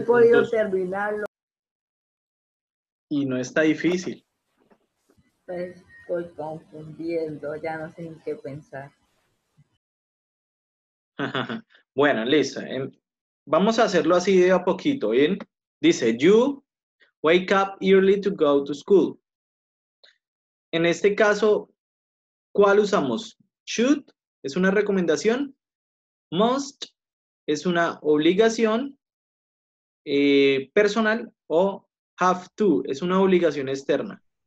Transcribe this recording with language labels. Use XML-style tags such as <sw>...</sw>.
<es>puntos. No he podido terminarlo. Y no está difícil. Pues. Estoy confundiendo, ya no sé ni qué pensar. Bueno, listo. Vamos a hacerlo así de a poquito, ¿bien?</es> <en>Dice, you wake up early to go to school.</en> <es>En este caso, ¿cuál usamos? Should es una recomendación. Must es una obligación personal. O have to es una obligación externa.</es>